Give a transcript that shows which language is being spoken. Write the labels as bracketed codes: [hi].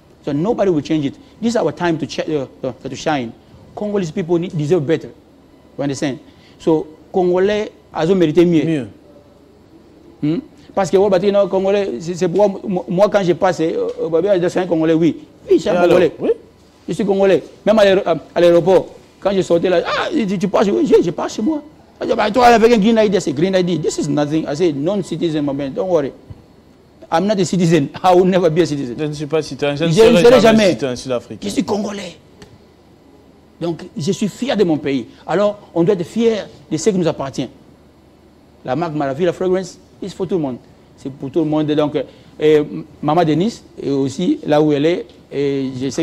[en] So nobody will change it. This is our time to shine. Congolese people deserve better. You understand? [fr] So, Congolais, ils ont mérité mieux. Mieux. Parce que, [en] you know, [fr] Congolais, c'est pour moi, quand j'ai passé, je suis un Congolais, oui. Oui, je suis un Congolais. Oui? Je suis Congolais. Même à l'aéroport, quand j'ai sorti là, tu passes, oui, je passe chez moi. [en] I told him, green ID. I said, green ID. This is nothing. I said, non-citizen, my man. Don't worry. I'm not a citizen. I will never be a citizen. [fr] Je ne suis pas citoyen. Je ne serai jamais citoyen sud-africain. Je suis Congolais. Donc, je suis fier de mon pays. Alors, on doit être fier de ce qui nous appartient. La marque Maravilla Fragrance, c'est pour tout le monde. C'est pour tout le monde. Donc, Maman Denise, et aussi, là où elle est, et je sais